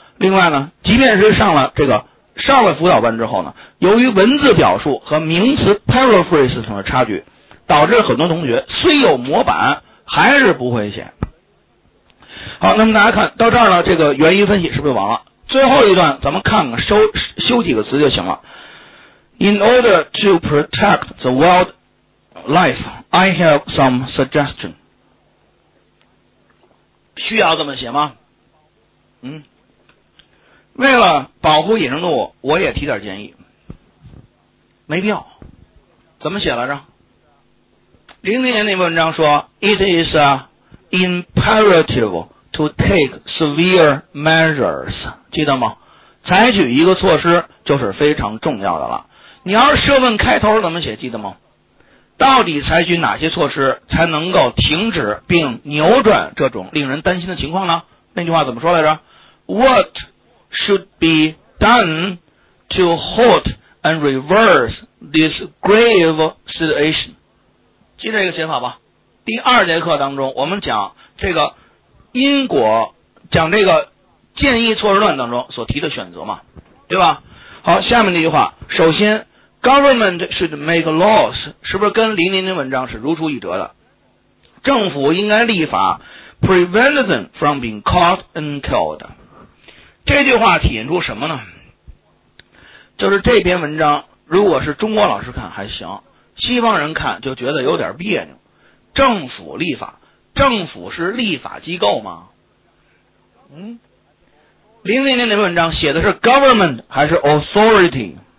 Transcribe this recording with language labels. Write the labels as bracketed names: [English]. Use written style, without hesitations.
[Chinese] 另外呢，即便是上了这个上了辅导班之后呢，由于文字表述和名词 paraphrase 上的差距，导致很多同学虽有模板还是不会写。好，那么大家看到这儿呢，这个原因分析是不是完了？最后一段咱们看看修几个词就行了。 [English] In order to protect the wildlife, I have some suggestion. [Chinese] 需要这么写吗？为了保护野生动物，我也提点建议。没必要。怎么写来着？00年那篇文章说 [English] It is imperative to take severe measures， [Chinese] 记得吗？采取一个措施就是非常重要的了。你要是设问开头怎么写，记得吗？到底采取哪些措施才能够停止并扭转这种令人担心的情况呢？那句话怎么说来着？ [English] What should be done to halt and reverse this grave situation？ [Chinese] 记这个写法吧。第二节课当中我们讲这个因果，讲这个建议措施段当中所提的选择嘛，对吧？好，下面这句话，首先 [English] government should make laws， [Chinese] 是不是跟林林的文章是如出一辙的？政府应该立法 [English] prevent them from being caught and killed。 [Chinese] 这句话体现出什么呢？就是这篇文章如果是中国老师看还行，西方人看就觉得有点别扭。政府立法，政府是立法机构吗？林林那篇文章写的是 government 还是 authority？